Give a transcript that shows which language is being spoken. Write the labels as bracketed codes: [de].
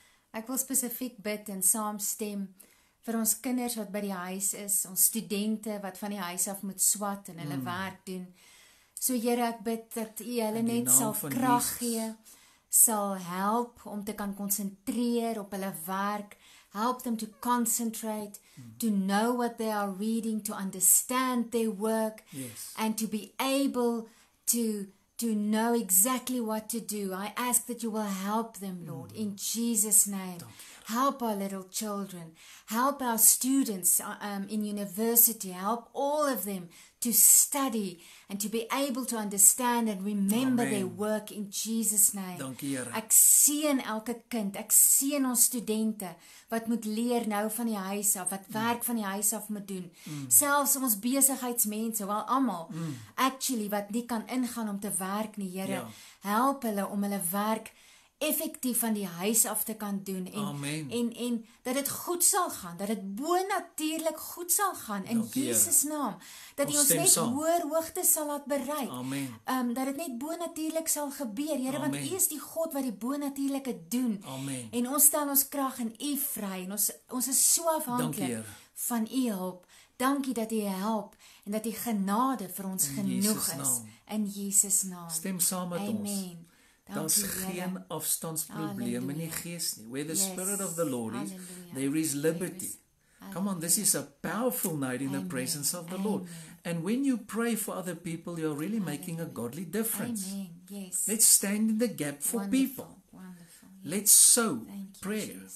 [af] Ek wil spesifiek bid en saamstem vir ons kinders wat by die huis is, ons studente wat van die huis af moet swat en hulle werk doen. So Here, ek bid dat U hulle net sal krag gee, sal help om te kan konsentreer op hulle werk, [en] help them to concentrate, to know what they are reading, to understand their work, and to be able to know exactly what to do. I ask that you will help them, Lord, in Jesus' name. Help our little children. Help our students in university. Help all of them to study and to be able to understand and remember Amen. Their work in Jesus' name. [af] Dankie, Here. Ek seën elke kind. Ek seën ons studente wat moet leer nou van die huis af, wat werk van die huis af moet doen. Selfs ons besigheidsmense, wel allemaal, actually wat nie kan ingaan om te werk nie, Here. Help hulle om hulle werk effektief van die huis af te kan doen en dat het goed sal gaan, dat het bonatuurlik goed sal gaan in Jesus naam, dat hy ons net hoër hoogte sal laat bereik, dat het net bonatuurlik sal gebeur, Here, want U is die God wat die bonatuurlike doen en ons stel ons krag in U vry en ons is so afhanklik van U hulp, dankie dat U help en dat U genade vir ons genoeg is, in Jesus naam, stem saam met Amen. Ons Daar's geen afstandsprobleem in die gees nie. [en] Where the Spirit of the Lord is, there is liberty. Come on, this is a powerful night in the presence of the Lord. And when you pray for other people, you're really making a godly difference. Let's stand in the gap for people. Let's sow prayer.